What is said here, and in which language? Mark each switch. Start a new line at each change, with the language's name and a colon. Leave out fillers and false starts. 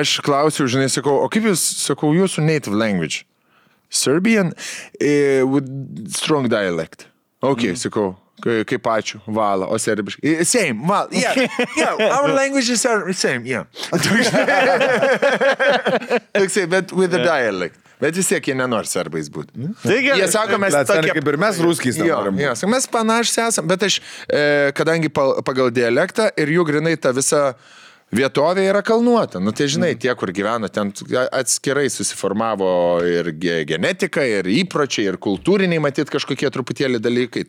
Lithuanian: Aš klausiu, žinai, sakau, o kaip jūs, sakau, jūsų
English: native language? Serbian with strong dialect.
Lithuanian: Ok, sakau. Kaip ačiū, valą, o serbiškai.
English: Same, valą, yeah. Our languages are same, yeah.
Lithuanian: Toksai, bet
English: with the dialect.
Lithuanian: Bet vis tiek jie nenori serbais būti. Taigi, jie sako, mes tokie... Kaip ir mes ruskiais nenorim. Jo, sako, mes panašiai esam, bet aš, kadangi pagal dialektą ir jų grinai ta visa vietovė yra kalnuota. Nu, tai žinai, tie, kur gyveno, ten atskirai susiformavo ir genetika, ir įpročiai, ir kultūriniai matyti kažkokie truputėlį dalykai.